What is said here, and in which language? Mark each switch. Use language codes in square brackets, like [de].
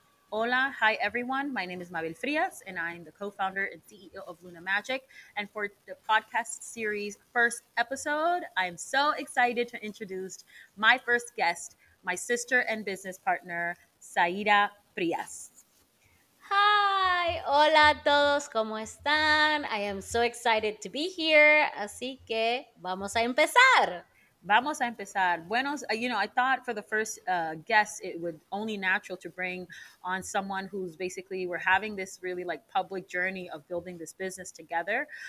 [en] Hola, hi everyone. My name is Mabel Frias, and I'm the co-founder and CEO of Luna Magic. And for the podcast series first episode, I'm so excited to introduce my first guest, my sister and business partner, Shaira Frías. Hi, [es] hola a todos, ¿cómo están? [en] I am so excited to be here. [es] Así que vamos a empezar. Vamos a empezar. Bueno, [en] you know, I thought for the first guest, it would only natural to bring on someone who's basically, we're having this really like public journey of building this business together.